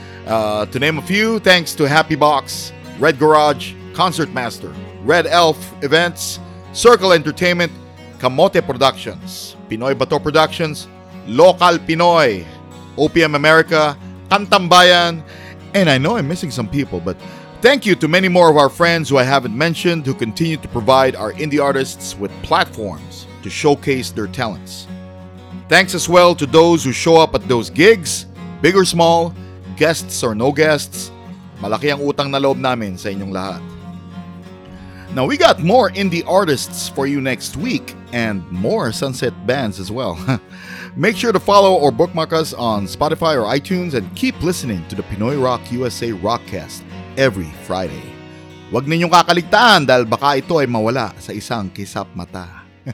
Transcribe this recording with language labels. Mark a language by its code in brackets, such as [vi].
[en] To name a few, thanks to Happy Box, Red Garage, Concertmaster, Red Elf Events, Circle Entertainment, Kamote Productions, Pinoy Bato Productions, Local Pinoy, OPM America, Kantambayan, and I know I'm missing some people, but thank you to many more of our friends who I haven't mentioned who continue to provide our indie artists with platforms to showcase their talents. Thanks as well to those who show up at those gigs, big or small, guests or no guests. [tl] Malaki ang utang na loob namin sa inyong lahat. [en] Now we got more indie artists for you next week and more sunset bands as well. Make sure to follow or bookmark us on Spotify or iTunes and keep listening to the Pinoy Rock USA Rockcast every Friday. [tl] Huwag ninyong kakaligtaan dahil baka ito ay mawala sa isang kisap mata.